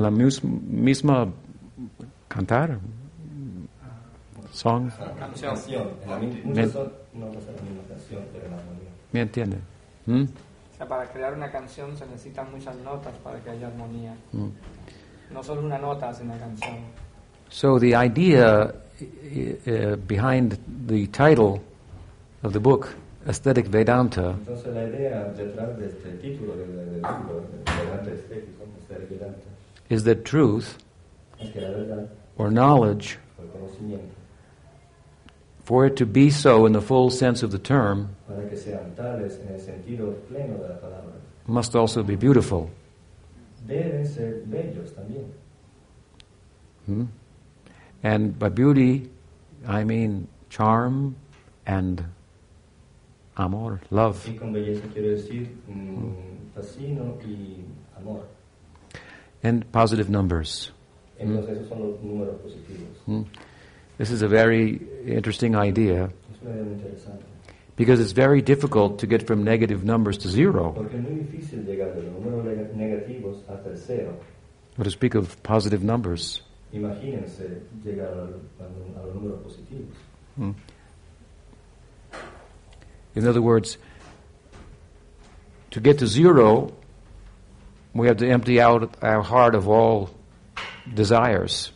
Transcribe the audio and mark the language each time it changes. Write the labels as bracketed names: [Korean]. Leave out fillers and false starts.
[Spanish] la misma cantar. Song. Canción. Muchas notas en la misma canción, pero en la armonía. ¿Me entiende? O sea, para crear una canción se necesitan muchas notas para que haya armonía. No solo una nota hace una canción. [English] So the idea behind the title of the book, Aesthetic Vedanta, [Spanish] entonces, la idea detrás de este título del libro, Vedanta Estético, Aesthetic Vedanta, [English] is that truth, [Spanish] es que la verdad, [English] or knowledge, [Spanish] o el conocimiento, [English] for it to be so in the full sense of the term, [Spanish] para que sean tales en el sentido pleno de la palabra, [English] must also be beautiful. [Spanish] Deben ser bellos también. [English] And by beauty, I mean charm and amor, love. [Spanish] Y con belleza quiero decir fascino y amor. [English] And positive numbers. [Spanish] Entonces esos son los números positivos. [English] This is a very interesting idea. [Spanish] Es una idea muy interesante. [English] Because it's very difficult to get from negative numbers to zero. [Spanish] Porque es muy difícil llegar de los números negativos hasta el cero. [English] But to speak of positive numbers. [Spanish] Imagínense llegar a los números positivos. [English] In other words, to get to zero, we have to empty out our heart of all desires.